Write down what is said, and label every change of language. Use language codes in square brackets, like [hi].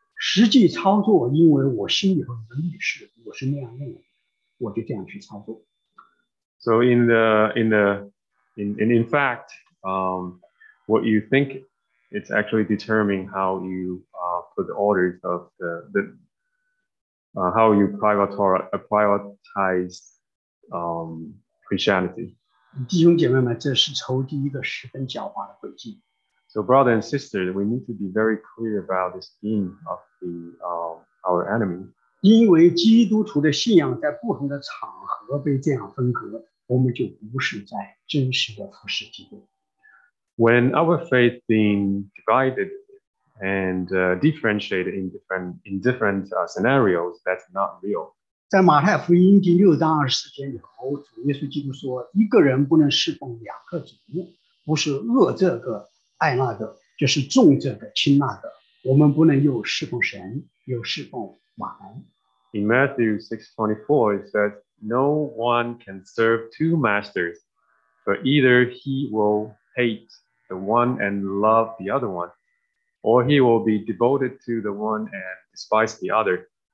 [zh] 实际操作，因为我心里头有意识，我是那样认为，我就这样去操作。 [en] So in fact, what you think, it's actually determining how you put the orders of how you prioritize Christianity. [zh] 弟兄姐妹们，这是仇敌一个十分狡猾的诡计。 [en] So brother and sister, we need to be very clear about this theme of our enemy. [zh] 因为基督徒的信仰在不同的场合被这样分隔，我们就不是在真实的服事基督。When [en] our faith being divided and differentiated in different scenarios, that's not real. [zh] 在马太福音第6章24节里头，主耶稣基督说，一个人不能侍奉两个主，不是恶这个。爱那个就是重这个轻那个，我们不能又侍奉神又侍奉马来。 [en] In Matthew 6:24, it says, "No one can serve two masters, but either he will hate the one and love the other one, or he will be devoted to the one and despise the other.